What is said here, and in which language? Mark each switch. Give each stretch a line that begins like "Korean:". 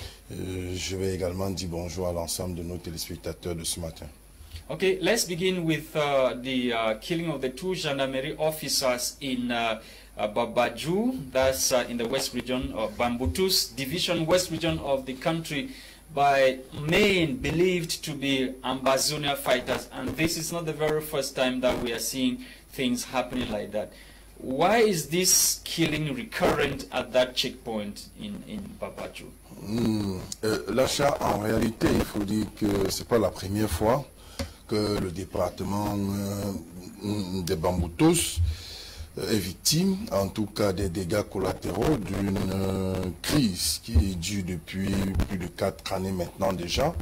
French: Je vais également dire bonjour à l'ensemble de nos téléspectateurs de ce matin.
English: Okay, let's begin with the killing of the two gendarmerie officers in Babaju, that's in the west region of Bambutu's division, west region of the country, by men believed to be Ambazonia fighters. And this is not the very first time that we are seeing things happening like that. Why is this killing recurrent at that checkpoint in Babaju?
French: Lasha, en réalité, il faut dire que ce n'est pas la première fois que le département de Bambutus est victime, en tout cas des dégâts collatéraux d'une crise qui dure depuis plus de 4 années maintenant déjà.